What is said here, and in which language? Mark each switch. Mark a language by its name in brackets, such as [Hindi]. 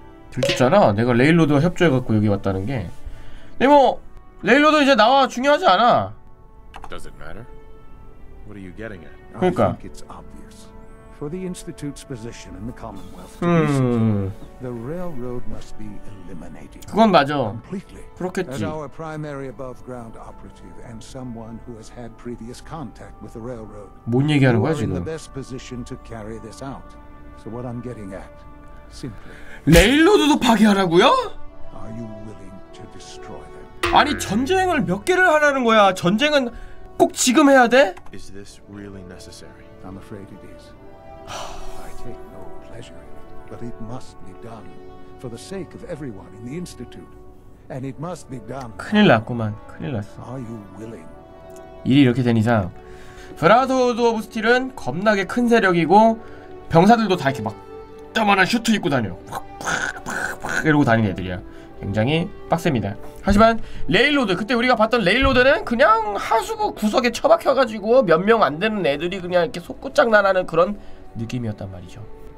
[Korean] 들켰잖아. 내가 레일로드와 협조해갖고 여기 왔다는 게. 근데 뭐 레일로드 이제 나와 중요하지 않아. [English] Does it matter? What are you getting at? [Korean] 그러니까. [English] I think it's obvious. For the Institute's position in the Commonwealth, the railroad must be eliminated. [Korean] 그건 맞아. [English] Completely. [Korean] 그렇겠지. [English] As our primary above ground operative and someone who has had previous contact with the railroad. [Korean] 뭔 얘기하는 거야 지금? [English] In the best position to carry this out. So what I'm getting at, simply. [Korean] 레일로드도 파괴하라고요? [English] Are you willing to destroy? [Korean] 아니 전쟁을 몇 개를 하라는 거야? 전쟁은 꼭 지금 해야 돼? [English] Is this really necessary? I'm afraid it is. I take no pleasure in it, but it must be done for the sake of everyone in the institute, and it must be done. [Korean] 큰일 났구만. 큰일 났어. [English] Are you willing? [Korean] 일이 이렇게 된 이상 브라더우드 오브 스틸은 겁나게 큰 세력이고 병사들도 다 이렇게 막 이따만한 슈트 입고 다녀. 팍팍팍팍 이러고 다니는 애들이야. 굉장히 빡셉니다. 하지만 레일로드, 그때 우리가 봤던 레일로드는 그냥 하수구 구석에 처박혀가지고 몇 명 안 되는 애들이 그냥 이렇게 속구장난하는 그런 느낌이었단 말이죠.